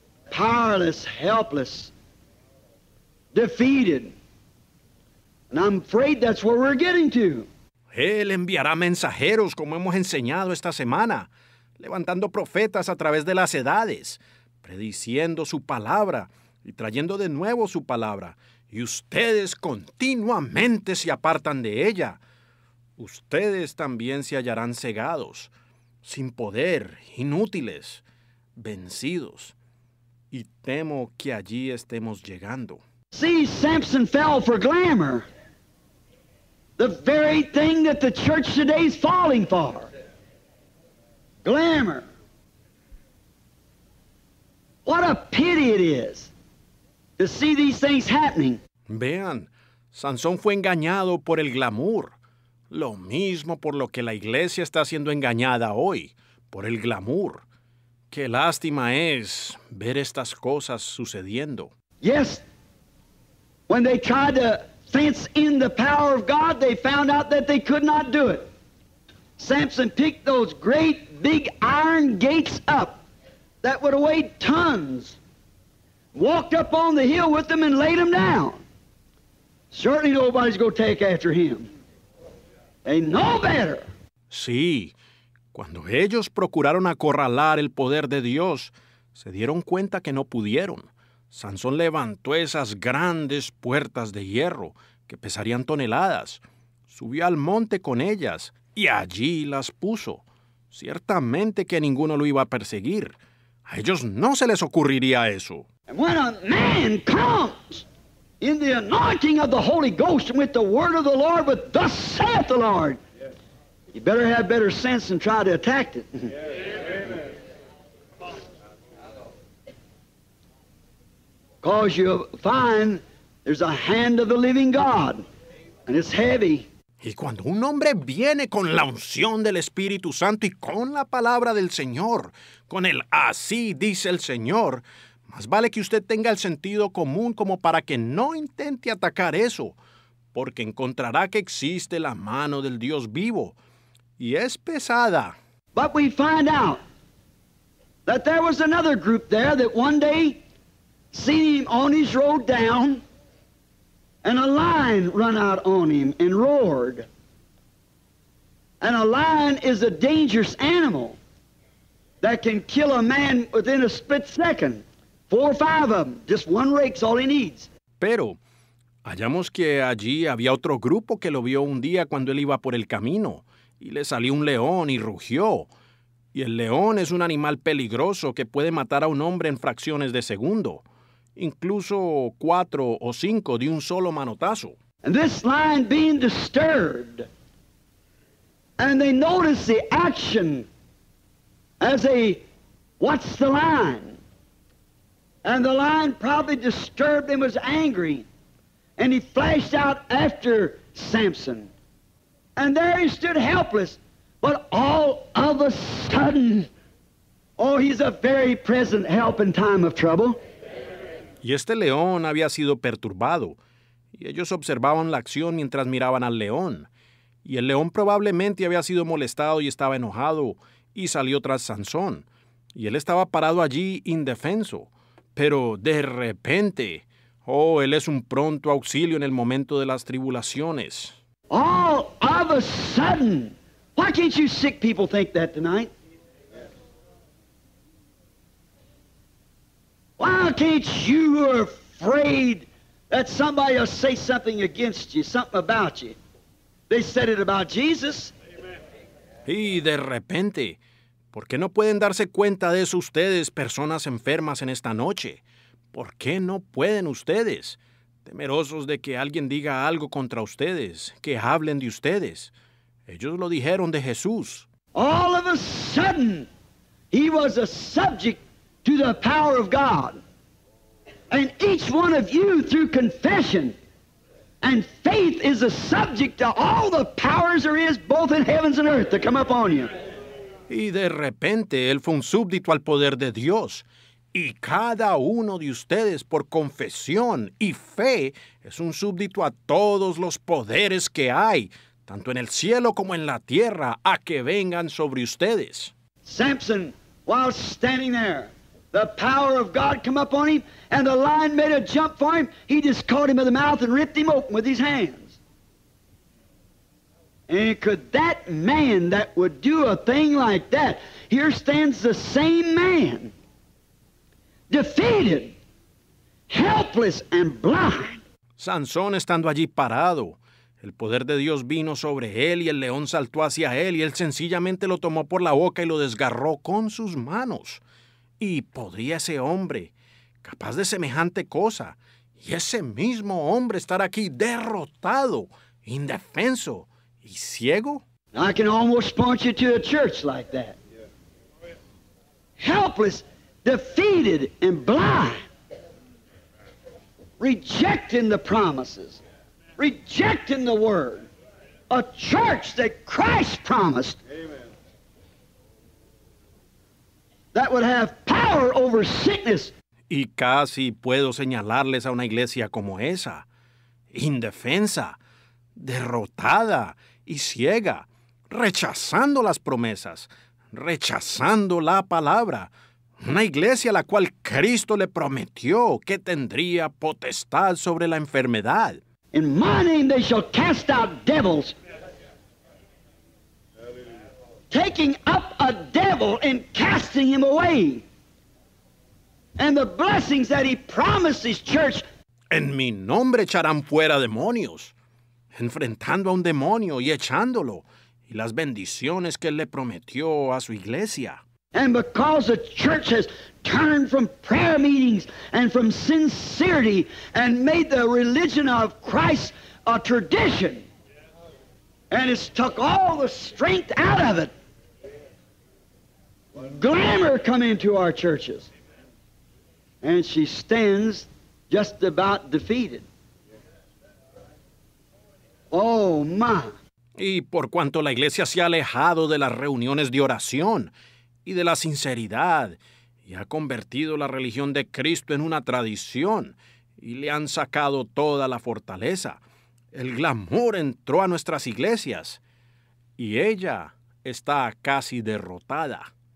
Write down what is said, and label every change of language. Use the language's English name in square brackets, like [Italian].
[English] Powerless, helpless, defeated. And I'm afraid that's where we're getting to. [Spanish] Él enviará mensajeros, como hemos enseñado esta semana, levantando profetas a través de las edades, prediciendo su palabra y trayendo de nuevo su palabra. Y ustedes continuamente se apartan de ella. Ustedes también se hallarán cegados, sin poder, inútiles, vencidos. Y temo que allí estemos llegando. [English] See, Samson fell for glamour. The very thing that the church today is falling for. Glamour. What a pity it is to see these things happening. [Spanish] Vean, Sansón fue engañado por el glamour. Lo mismo por lo que la iglesia está siendo engañada hoy, por el glamour. Qué lástima es ver estas cosas sucediendo. [English] Yes, when they tried to fence in the power of God, they found out that they could not do it. Samson picked those great big iron gates up that would have weighed tons, walked up on the hill with them and laid them down. Certainly nobody's going to take after him. They know better. [Spanish] Sí, cuando ellos procuraron acorralar el poder de Dios, se dieron cuenta que no pudieron. Sansón levantó esas grandes puertas de hierro que pesarían toneladas. Subió al monte con ellas y allí las puso. Ciertamente que ninguno lo iba a perseguir. A ellos no se les ocurriría eso. [English] And when a man comes in the anointing of the Holy Ghost and with the word of the Lord, but thus saith the Lord, you better have better sense and try to attack it. Because you'll find there's a hand of the living God, and it's heavy. [Spanish] Y cuando un hombre viene con la unción del Espíritu Santo y con la palabra del Señor, con el así dice el Señor, más vale que usted tenga el sentido común como para que no intente atacar eso, porque encontrará que existe la mano del Dios vivo, y es pesada. [English] But we find out that there was another group there that one day seen him on his road down, and a lion run out on him and roared. And a lion is a dangerous animal that can kill a man within a split second. Four or five of them, just one rake's all he needs. [Spanish] Pero, hallamos que allí había otro grupo que lo vio un día cuando él iba por el camino, y le salió un león y rugió. Y el león es un animal peligroso que puede matar a un hombre en fracciones de segundo. Incluso cuatro o cinco de un solo manotazo. [English] And this lion being disturbed, and they notice the action as they watch the lion. And the lion probably disturbed and was angry. And he flashed out after Samson. And there he stood helpless. But all of a sudden, oh, he's a very present help in time of trouble. [Spanish] Y este león había sido perturbado, y ellos observaban la acción mientras miraban al león. Y el león probablemente había sido molestado y estaba enojado, y salió tras Sansón. Y él estaba parado allí, indefenso. Pero de repente, oh, él es un pronto auxilio en el momento de las tribulaciones. [English] All of a sudden, why can't you sick people think that tonight? Why can't you who are afraid that somebody will say something against you, something about you? They said it about Jesus. Amen. [Spanish] Y de repente, ¿por qué no pueden darse cuenta de eso ustedes, personas enfermas en esta noche? ¿Por qué no pueden ustedes, temerosos de que alguien diga algo contra ustedes, que hablen de ustedes? Ellos lo dijeron de Jesús. [English] All of a sudden, he was a subject to the power of God. And each one of you through confession and faith is a subject to all the powers there is both in heavens and earth to come upon you. [Spanish] Y de repente, él fue un súbdito al poder de Dios. Y cada uno de ustedes por confesión y fe es un súbdito a todos los poderes que hay, tanto en el cielo como en la tierra, a que vengan sobre ustedes. [English] Samson, while standing there, the power of God came up on him, and the lion made a jump for him. He just caught him in the mouth and ripped him open with his hands. And could that man that would do a thing like that, here stands the same man, defeated, helpless, and blind. [Spanish] Sansón estando allí parado, el poder de Dios vino sobre él y el león saltó hacia él y él sencillamente lo tomó por la boca y lo desgarró con sus manos. ¿Y podría ese hombre, capaz de semejante cosa, y ese mismo hombre estar aquí derrotado, indefenso y ciego? [English] I can almost point you to a church like that. Helpless, defeated, and blind. Rejecting the promises. Rejecting the word. A church that Christ promised. Amen. That would have power over sickness. [Spanish] Y casi puedo señalarles a una iglesia como esa, indefensa, derrotada y ciega, rechazando las promesas, rechazando la palabra. Una iglesia a la cual Cristo le prometió que tendría potestad sobre la enfermedad. [English] In my name they shall cast out devils. Taking up a devil and casting him away. And the blessings that he promised his church. [Spanish] En mi nombre echarán fuera demonios. Enfrentando a un demonio y echándolo. Y las bendiciones que él le prometió a su iglesia. [English] And because the church has turned from prayer meetings and from sincerity and made the religion of Christ a tradition and it's took all the strength out of it. Glamour come into our churches. And she stands just about defeated. Oh, my. [Spanish] Y por cuanto la iglesia se ha alejado de las reuniones de oración y de la sinceridad, y ha convertido la religión de Cristo en una tradición, y le han sacado toda la fortaleza. El glamour entró a nuestras iglesias, y ella está casi derrotada.